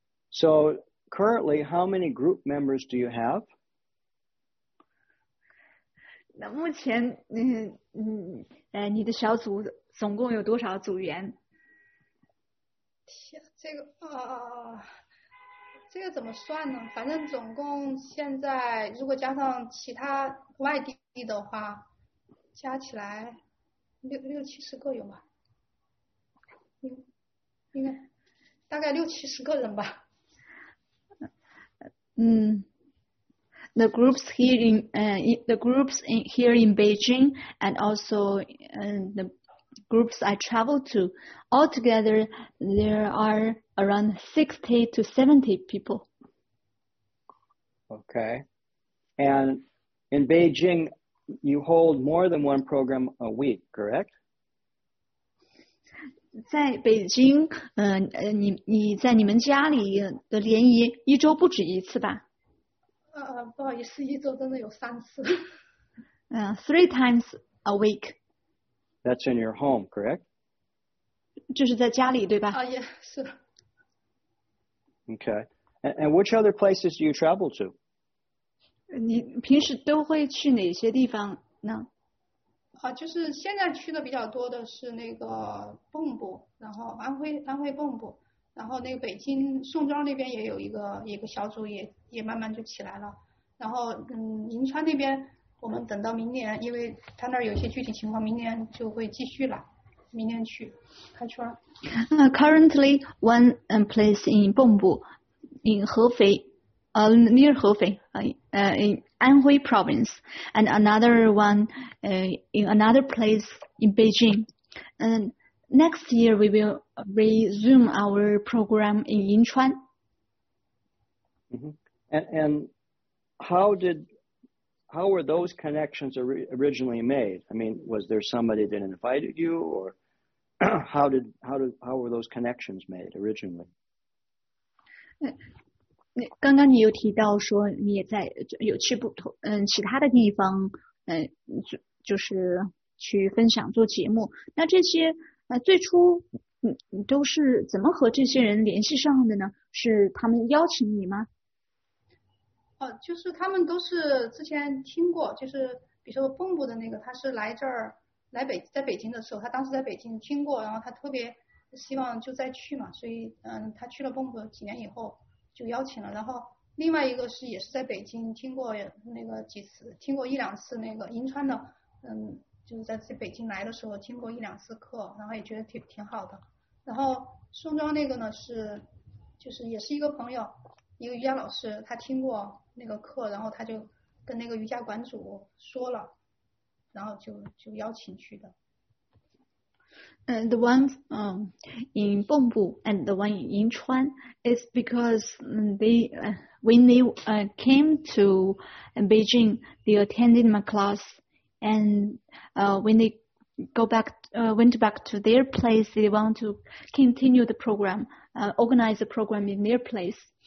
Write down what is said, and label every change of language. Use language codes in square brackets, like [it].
[en] So currently, how many group members do you have? [zh] 那目前，你的小组总共有多少组员？天，这个啊。这个怎么算呢？反正总共现在如果加上其他外地的话，加起来六七十个有吗？应该大概六七十个人吧。 [en] The groups here in Beijing, and also the groups I travel to, altogether there are around 60 to 70 people. Okay. And in Beijing, you hold more than one program a week, correct? [zh] 在北京，你在你们家里的联谊一周不止一次吧？不好意思，一周真的有3次。 [en] Three times a week。 That's in your home, correct? [zh] 就是在家里，对吧？也是。 [en] Okay. And which other places do you travel to? [zh] 你平时都会去哪些地方呢？就是现在去的比较多的是那个蚌埠，然后安徽蚌埠，然后那个北京宋庄那边也有一个小组也慢慢就起来了，然后银川那边我们等到明年，因为他那儿有些具体情况，明年就会继续了，明年去开春。 [en] Currently, one place in Bongbu, in Hefei, near Hefei, in Anhui Province, and another one in another place in Beijing. And next year, we will resume our program in Yinchuan. And how were those connections originally made? I mean, was there somebody that invited you, or how were those connections made originally? [zh] 刚刚你有提到说你也在有去不同其他的地方就是去分享做节目，那这些最初你都是怎么和这些人联系上的呢？是他们邀请你吗？就是他们都是之前听过，就是比如说蚌埠的那个，他是来这儿来北在北京的时候，他当时在北京听过，然后他特别希望就再去嘛，所以他去了蚌埠几年以后就邀请了。然后另外一个是也是在北京听过那个几次，听过一两次那个银川的，就是在北京来的时候听过一两次课，然后也觉得挺好的。然后宋庄那个呢是就是也是一个朋友，一个瑜伽老师，他听过那个课，然后他就跟那个瑜伽馆主说了，然后就邀请去的。 [en] And the one in Bongbu and the one in Yinchuan is because they when they came to Beijing, they attended my class, and when they went back to their place, they want to continue the program, organize the program in their place.